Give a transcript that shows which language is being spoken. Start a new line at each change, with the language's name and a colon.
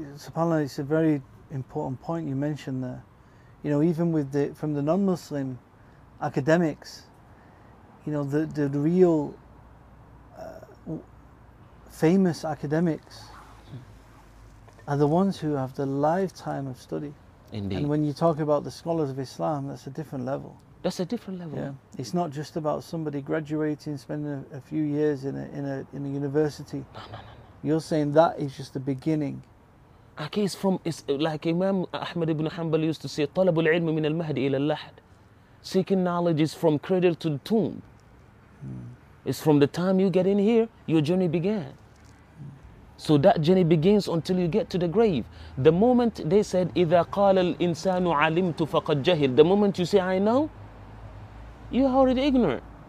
English: SubhanAllah, it's a very important point you mentioned there. You know, even with the from the non-Muslim academics, you know, the real famous academics are the ones who have the lifetime of study. Indeed. And when you talk about the scholars of Islam, that's a different level. That's a different level. Yeah. It's not just about somebody graduating, spending a few years in a university. No. You're saying that is just the beginning. Okay, it's like Imam Ahmad ibn Hanbal used to say,
Arabic: طلب العلم من المهد إلى اللحد.
English: Seeking knowledge is from cradle to the tomb. It's from the time you get in here, your journey began. So that journey begins until you get to the grave. The moment they said,
Arabic: إِذَا قَالَ الْإِنسَانُ عَلِمْتُ فَقَدْ جَهِلْ.
English: The moment you say, I know, you're already ignorant.